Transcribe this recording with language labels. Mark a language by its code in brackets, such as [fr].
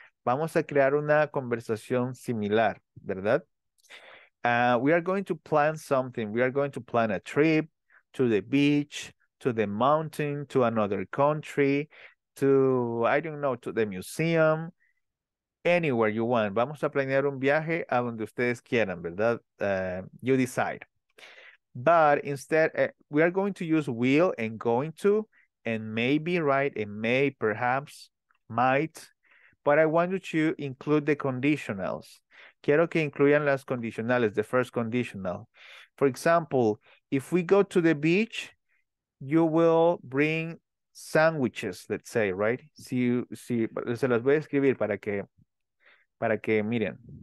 [es] Vamos a crear una conversación similar, ¿verdad? [en] We are going to plan something. We are going to plan a trip to the beach, to the mountain, to another country, to, I don't know, to the museum, anywhere you want. [es] Vamos a planear un viaje a donde ustedes quieran, ¿verdad? [en] You decide. But instead, we are going to use will and going to, and maybe, right? And may, perhaps, might. But I want you to include the conditionals. [es] Quiero que incluyan las condicionales, [en] the first conditional. For example, if we go to the beach, you will bring sandwiches, let's say, right? [es] Si, se las voy a escribir para que miren.